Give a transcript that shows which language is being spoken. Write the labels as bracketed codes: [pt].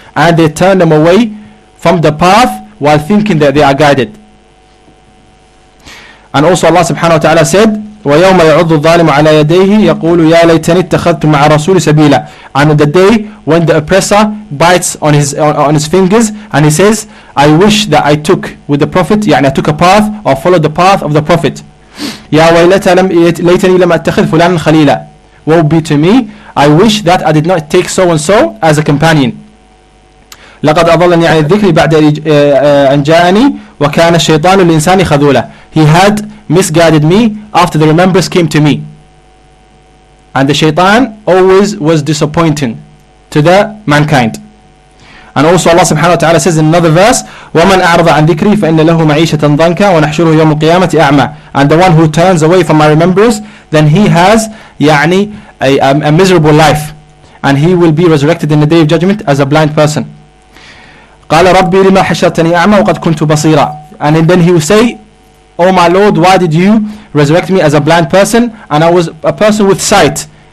[en] And they turn them away from the path while thinking that they are guided. And also Allah subhanahu wa ta'ala said, [ar] وَيَوْمَ يَعُضُّ الظَّالِمُ عَلَى يَدَيْهِ يَقُولُ يَا لَيْتَنِي اتَّخَذْتُ مَعَ رَسُولِ سَبِيلًا. [en] And on the day when the oppressor bites on his fingers and he says, I wish that I took with the Prophet, يعني I took a path or followed the path of the Prophet. [ar] يَا وَيْلَتَ لَيْتَنِي لَمْ أَتَّخِذْ فُلَانًا خَلِيلًا. [en] Woe be to me, I wish that I did not take so and so as a companion. [ar] لَقَدْ أَضَلَّنِي عَنِ الذِّكْرِ بَعْدَ أَنْ جَاءَنِي وَكَانَ الشَّيْطَانُ لِلْإِنسَانِ خَذُولًا. [en] He had misguided me after the remembrance came to me. And the shaitan always was disappointing to the mankind. And also Allah subhanahu wa ta'ala says in another verse, [ar] وَمَنْ أَعْرَضَ عَنْ ذِكْرِي فَإِنَّ لَهُ مَعِيشَةً ضَنْكَ وَنَحْشُرُهُ يَوْمُ الْقِيَامَةِ أَعْمَى. [en] And the one who turns away from my remembrance, then he has يعني, a miserable life. And he will be resurrected in the day of judgment as a blind person. [ar] قال ربي لما حشرتني أعمى وقد كنت بصيرا. [en] And then he will say, oh my Lord, why did you resurrect me as a blind person? And I was a person with sight.